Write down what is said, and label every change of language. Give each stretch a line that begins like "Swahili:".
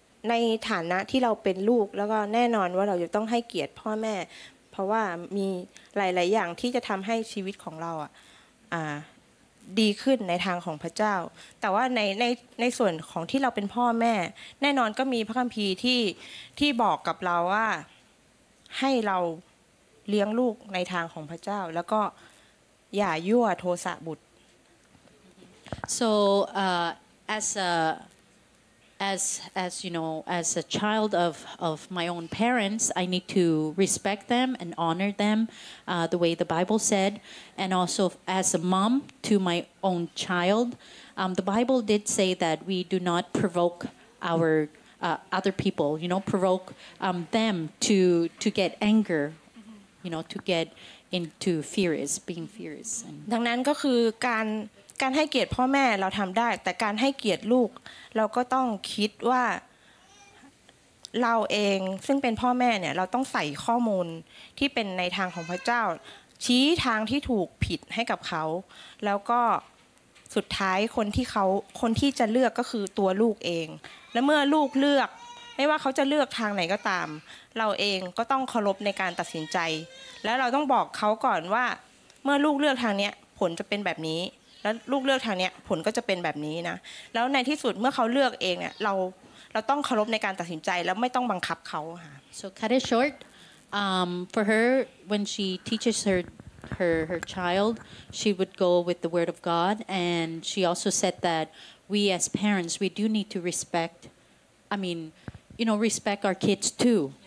Thai: ในฐานะที่เราเป็นลูกแล้วก็แน่นอนว่าเราจะต้องให้เกียรติพ่อแม่เพราะว่ามีหลายๆอย่างที่จะทำให้ชีวิตของเราดีขึ้นในทางของพระเจ้าแต่ว่าในส่วนของที่เราเป็นพ่อแม่แน่นอนก็มีพระคัมภีร์ที่บอกกับเราว่าให้เราเลี้ยงลูกในทางของพระเจ้าแล้วก็อย่ายั่วโทสะบุตร
English: so as you know as a child of my own parents I need to respect them and honor them the way the Bible said and also as a mom to my own child the Bible did say that we do not provoke our other people you know provoke them to get anger you know to get into furious being furious
Thai: ดังนั้นก็คือการให้เกียรติพ่อแม่เราทำได้แต่การให้เกียรติลูกเราก็ต้องคิดว่าเราเองซึ่งเป็นพ่อแม่เนี่ยเราต้องใส่ข้อมูลที่เป็นในทางของพระเจ้าชี้ทางที่ถูกผิดให้กับเขาแล้วก็ สุดท้ายคนที่จะเลือกก็คือตัวลูกเองและเมื่อลูกเลือกไม่ว่าเขาจะเลือกทางไหนก็ตามเราเองก็ต้องเคารพในการตัดสินใจแล้วเราต้องบอกเขาก่อนว่าเมื่อลูกเลือกทางเนี้ยผลจะเป็นแบบนี้แล้วลูกเลือกทางเนี้ยผลก็จะเป็นแบบนี้นะแล้วในที่สุดเมื่อเขาเลือกเองเนี่ยเราต้องเคารพในการตัดสินใจแล้วไม่ต้องบังคับเขาค่ะ
English: So cut it short for her when she teaches her child she would go with the word of God and she also said that we as parents we do need to respect I mean you know respect our kids too